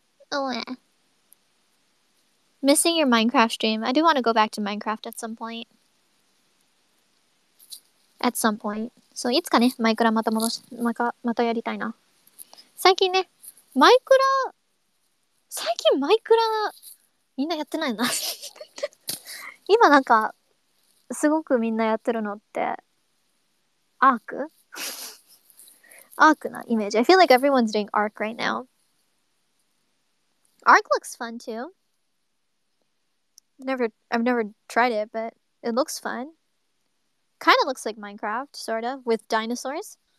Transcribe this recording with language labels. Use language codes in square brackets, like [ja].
[en] Oh, yeah. Missing your Minecraft stream. I do want to go back to Minecraft at some point. At some point. [ja] So, いつかね、マイクラまた戻し、またやりたいな。最近ね、マイクラ、最近マイクラ、みんなやってないな。今なんか、すごくみんなやってるのって、アーク [en] Akuna image. I feel like everyone's doing Arc right now. Arc looks fun too. I've never tried it, but it looks fun. Kind of looks like Minecraft, sort of, with dinosaurs.